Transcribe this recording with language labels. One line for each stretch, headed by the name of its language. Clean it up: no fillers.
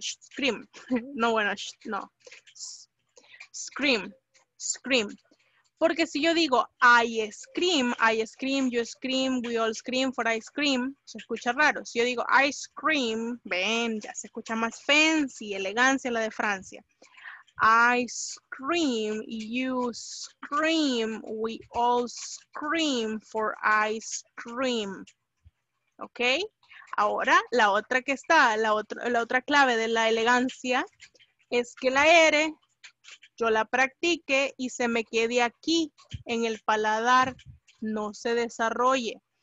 English: Scream.
Spanish: No, bueno, no.
English: Scream, scream.
Spanish: Porque si yo digo,
English: I scream, you scream, we all scream for ice cream,
Spanish: se escucha raro. Si yo digo, ice cream, ven, ya se escucha más fancy, elegancia la de Francia.
English: I scream, you scream, we all scream for ice cream.
Spanish: ¿Ok? Ahora, la otra que está, la otra clave de la elegancia es que la R yo la practique y se me quede aquí en el paladar, no se desarrolle.